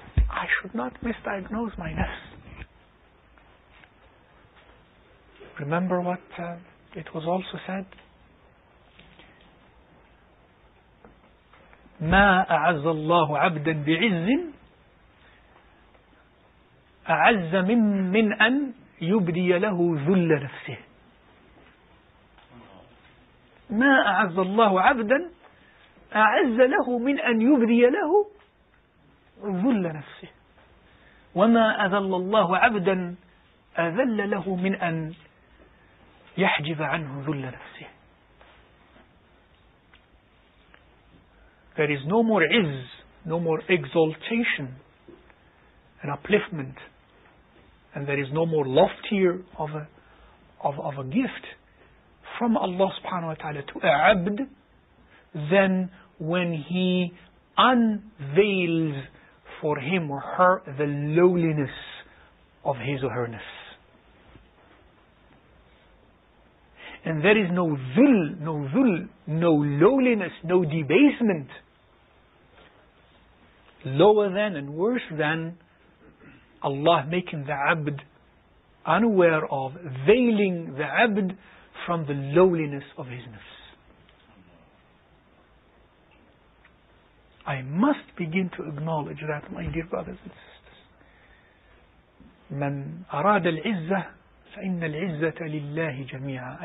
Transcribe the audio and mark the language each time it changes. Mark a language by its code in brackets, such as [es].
[en] I should not misdiagnose my nafs. Remember what it was also said? [ar] ما أعز الله عبدا بعز أعز من أن يبدي له ذل نفسه. ما أعز الله عبدا أعز له من أن يبدي له ذل نفسه. وما أذل الله عبدا أذل له من أن يحجب عنه ذل نفسه. [en] There is no more izz, no more exaltation and upliftment, and there is no more loftier of a gift from Allah subhanahu wa ta'ala to a abd than when he unveils for him or her the lowliness of his or herness. And there is no dhul, no lowliness, no debasement lower than and worse than Allah making the abd unaware of, veiling the abd from the lowliness of his nafs. I must begin to acknowledge that, my dear brothers and sisters. [ar] من أراد العزة فإن العزة لله جميعا.